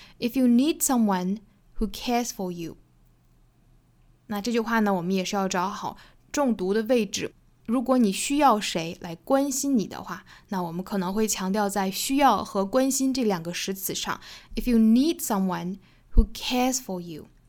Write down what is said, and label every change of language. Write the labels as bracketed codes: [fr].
[en] If you need someone who cares for you. [zh] 那这句话呢，我们也是要找好重读的位置。如果你需要谁来关心你的话，那我们可能会强调在需要和关心这两个实词上。 [en] If you need someone who cares for you.